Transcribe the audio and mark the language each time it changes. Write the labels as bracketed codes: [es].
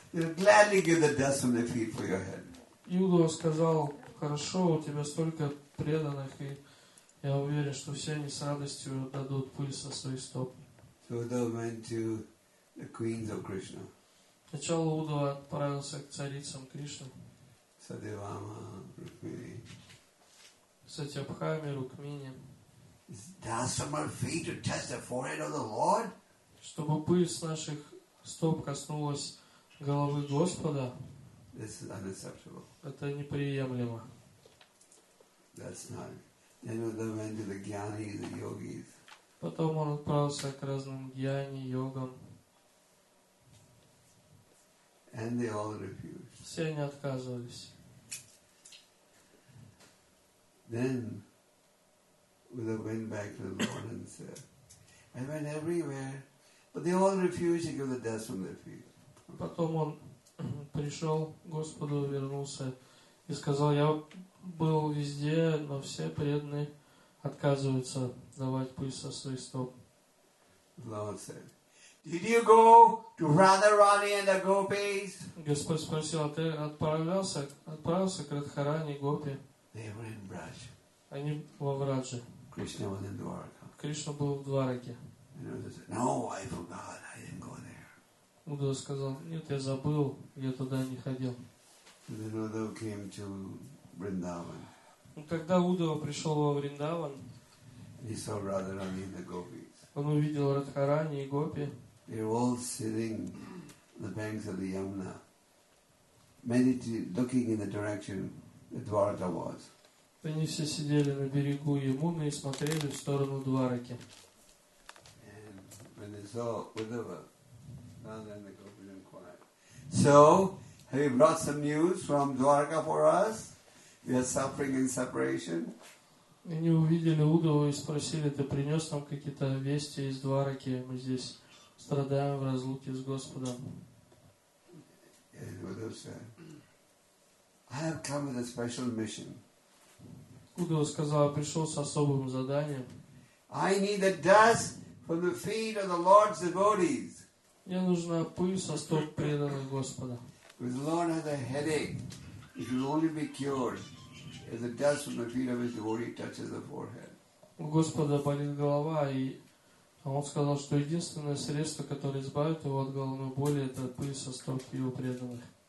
[en] They'll gladly give the dust from their feet for your head." [ru] Юдова сказал, "Хорошо, у тебя столько преданных, и я уверен, что все они с радостью дадут пыль со своих стоп." [en] So they went to the queens of Krishna. [ru] Сначала Удова отправился к царицам Кришны. Садевама, Рукмини. Сатьябхами, Рукмини. [en] Dust from our feet to touch the forehead of the Lord? [ru] Чтобы пыль с наших стоп коснулась головы Господа. [en] This is unacceptable. [ru] Это неприемлемо. [en] That's not. Then Удова went to the гьяни, the йогис. [ru] Потом он отправился к разным гьяни, йогам. [en] And they all refused. [ru] Все они отказывались. [en] Then Uddhava went back to the Lord and said, "I went everywhere, but they all refused to give the dust from their feet." [ru] Потом он пришел к Господу, вернулся и сказал: "Я был везде, но все преданные отказываются давать пыль со своих стоп." [en] Lord said. Did you go to Radharani and the Gopis? [ru] Господь спросил, ты отправился к Радхарани и Гопи? [en] They were in Braj. [ru] Они во Враджи. [en] Krishna was in Dwarka. [ru] Кришна был в Двараке. [en] No, I forgot. I didn't go there. [ru] Удава сказал, нет, я забыл, я туда не ходил. [en] Then Udhava came to Vrindavan. [ru] Тогда Удава пришел во Вриндаван. [en] He saw Radharani and the Gopis. [ru] Он увидел Радхарани и Гопи. [en] They were all sitting on the banks of the Yamuna, meditating, looking in the direction that Dwarka was. [ru] Они все сидели на берегу Ямуны и смотрели в сторону Двараки. [en] And when they saw Uddhava, then the Gopis inquired, "So, have you brought some news from Dwarka for us? We are suffering in separation." [ru] Они увидели Удаву и спросили, ты принес нам какие-то вести из Двараки? Мы здесь страдаем в разлуке с Господом. [en] And Udhava said, "I have come with a special mission." [ru] Удова сказала, пришел с особым заданием. [en] I need the dust from the feet of the Lord's devotees. [ru] Мне нужна пыль со стоп преданных Господа. [en] The Lord has a headache. It will only be cured if the dust from the feet of his devotee touches the forehead. [ru] У Господа болит голова, и он сказал, что единственное средство, которое избавит его от головной боли, это пыль со стоп его преданных.